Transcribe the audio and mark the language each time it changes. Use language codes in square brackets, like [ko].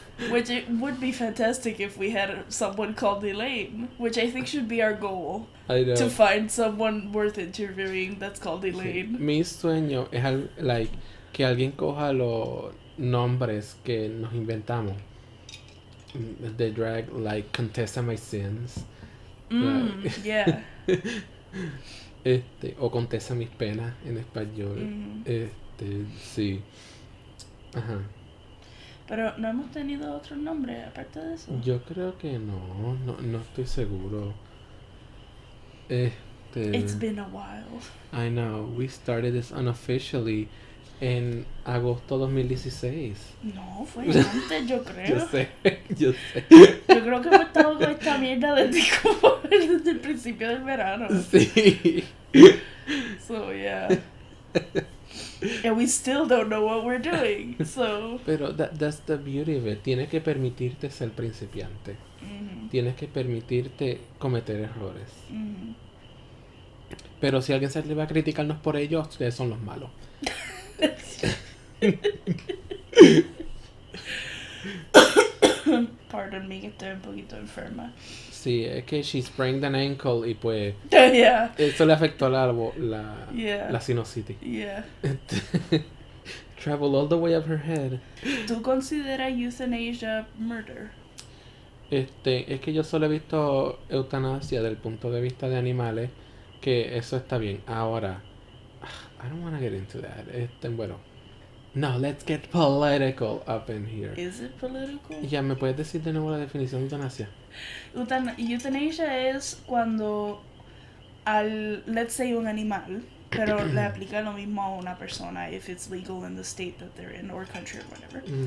[en] Which it would be fantastic if we had someone called Elaine, which I think should be our goal. I know. To find someone worth interviewing that's called Elaine. [es] Sí. Mi sueño es like que alguien coja los nombres que nos inventamos. [en] The drag, like Contessa My Sins. Mm, like. Yeah. [es] O Contessa Mis Penas en español. Mm-hmm. Sí. Ajá. Uh-huh. Pero no hemos tenido otro nombre aparte de eso. Yo creo que no, no estoy seguro. [en] It's been a while. I know, we started this unofficially [es] en agosto 2016. No, fue antes, yo Yo creo. sé, yo sé. Yo creo que hemos estado con esta mierda desde el principio del verano. Sí. [en] So, yeah. And we still don't know what we're doing, so. [es] Pero [en] that's the beauty of it. [es] Tienes que permitirte ser principiante. Tienes que permitirte cometer errores. Pero si alguien se le va a criticarnos por ello, ustedes son los malos. [en] Pardon me, [es] que estoy un poquito enferma. Sí, es que [en] she sprained an ankle [es] y pues [en] Yeah. [es] eso le afectó la [en] Yeah. [es] sinusitis. [en] Yeah. Travel all the way up her head. [es] ¿Tú consideras euthanasia murder? Es que yo solo he visto eutanasia del punto de vista de animales, que eso está bien. [en] Ahora, I don't want to get into that. Bueno, no, let's get political up in here. [es] ¿Es político? Ya, ¿me puedes decir de nuevo la definición de eutanasia? Eutanasia es cuando [en] let's say [es] un animal, pero le aplica lo mismo a una persona, [en] if it's legal in the state that they're in or country or whatever.